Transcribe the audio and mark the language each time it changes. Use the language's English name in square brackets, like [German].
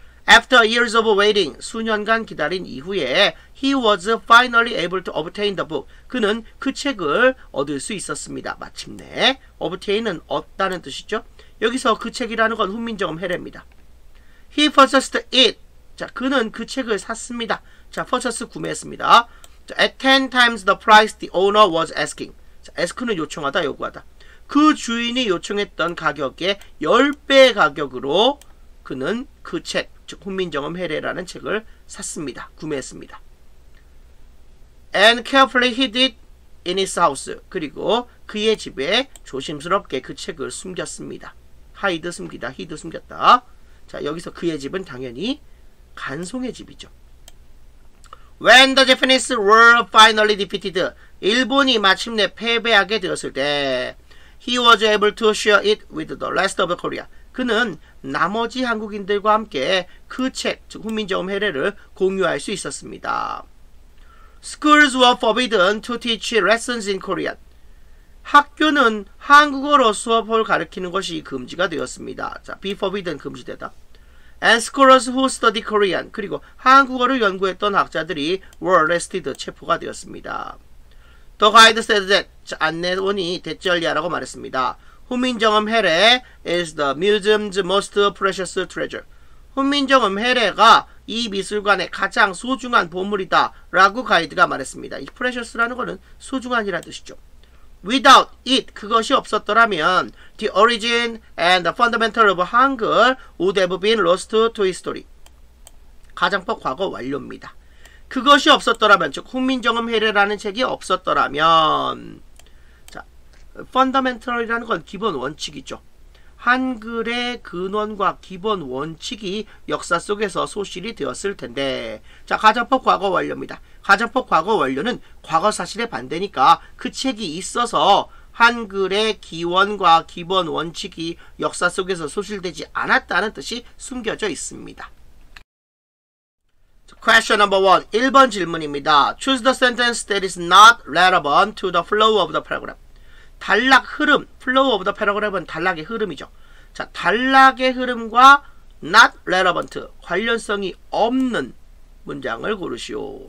[English] After years of waiting, [Korean] 수년간 기다린 이후에 [English] he was finally able to obtain the book. [Korean] 그는 그 책을 얻을 수 있었습니다. 마침내 obtain은 얻다는 뜻이죠. 여기서 그 책이라는 건 훈민정음 해례입니다. [English] He purchased it. [Korean] 자, 그는 그 책을 샀습니다. 자, purchase 구매했습니다. [English] At 10 times the price the owner was asking. [Korean] 자, ask는 요청하다, 요구하다. 그 주인이 요청했던 가격의 10배 가격으로 그는 그 책, 즉 훈민정음 해례라는 책을 샀습니다. 구매했습니다. [English] And carefully hid it in his house. [Korean] 그리고 그의 집에 조심스럽게 그 책을 숨겼습니다. Hide 숨기다, hid 숨겼다. 자, 여기서 그의 집은 당연히 간송의 집이죠. [English] When the Japanese were finally defeated, [Korean] 일본이 마침내 패배하게 되었을 때, [English] he was able to share it with the rest of Korea. [Korean] 그는 나머지 한국인들과 함께 그 책, 즉 훈민정음 해례를 공유할 수 있었습니다. [English] Schools were forbidden to teach lessons in Korean. [Korean] 학교는 한국어로 수업을 가르치는 것이 금지가 되었습니다. [English] 자, be forbidden, [Korean] 금지되다. [English] And scholars who study Korean, [Korean] 그리고 한국어를 연구했던 학자들이 [English] were arrested, [Korean] 체포가 되었습니다. [English] The guide said that, 자, [Korean] 안내원이 대절야라고 말했습니다. [English] 훈민정음 해례 is the museum's most precious treasure. [Korean] 훈민정음 해례가 이 미술관의 가장 소중한 보물이다 라고 가이드가 말했습니다. 이 precious라는 것은 소중한이라는 뜻이죠. [English] Without it, [Korean] 그것이 없었더라면 [English] the origin and the fundamental of Hangul would have been lost to history. [Korean] 가정법 과거 완료입니다. 그것이 없었더라면, 즉 훈민정음 해례라는 책이 없었더라면, 자, fundamental이라는 건 기본 원칙이죠. 한글의 근원과 기본 원칙이 역사 속에서 소실이 되었을 텐데. 자, 가정법 과거 완료입니다. 가정법 과거 완료는 과거 사실에 반대니까 그 책이 있어서 한글의 기원과 기본 원칙이 역사 속에서 소실되지 않았다는 뜻이 숨겨져 있습니다. [English] Question number one. [Korean] 1번 질문입니다. [English] Choose the sentence that is not relevant to the flow of the paragraph. [Korean] 단락 흐름, [English] flow of the paragraph [Korean] 은 단락의 흐름이죠. 자, 단락의 흐름과 [English] not relevant, [Korean] 관련성이 없는 문장을 고르시오.